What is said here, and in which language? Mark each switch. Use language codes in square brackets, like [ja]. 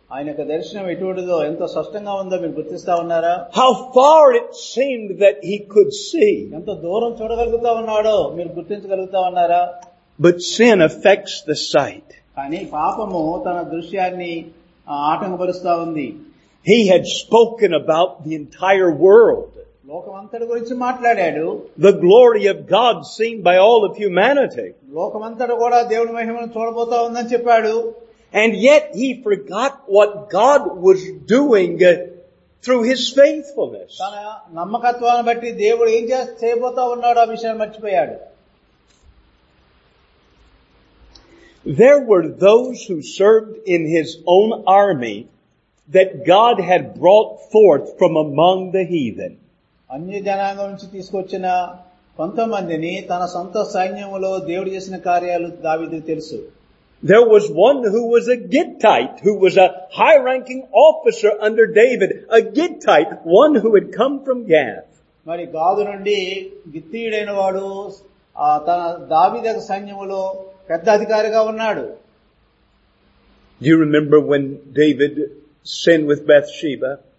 [te] ఆయన యొక్క దర్శనం ఎటువంటిదో, ఎంత స్పష్టంగా ఉందో మీరు గుర్తిస్తా ఉన్నారా? [en] How far it seemed that he could see. [te] ఎంత దూరం చూడగలుగుతా ఉన్నాడో మీరు గుర్తించగలుగుతా ఉన్నారా? [en] But sin affects the sight. [te] కానీ పాపము తన దృశ్యాన్ని ఆటంకపరుస్తా ఉంది. [en] He had spoken about the entire world. [te] లోకమంతటి గురించి మాట్లాడాడు. [en] The glory of God seen by all of humanity. [te] లోకమంతటి కూడా దేవుని మహిమను చూడబోతా ఉందని చెప్పాడు. [en] And yet he forgot what God was doing through his faithfulness. [te] నమ్మకత్వాన్ని బట్టి దేవుడు ఏం చేయబోతా ఉన్నాడు ఆ విషయాన్ని మర్చిపోయాడు. [en] There were those who served in his own army that God had brought forth from among the heathen. [te] అన్య జనాంగం నుంచి తీసుకొచ్చిన కొంతమందిని తన సొంత సైన్యములో దేవుడు చేసిన కార్యాలు దావీదు తెలుసు. [en] There was one who was a Gittite, who was a high-ranking officer under David. A Gittite, one who had come from Gath. [te] మరి గాదు నుండి గిత్తీయుడైన వాడు తన దావీదు సైన్యములో పెద్ద అధికారిగా ఉన్నాడు. [en] Do you remember when David sinned with Bathsheba?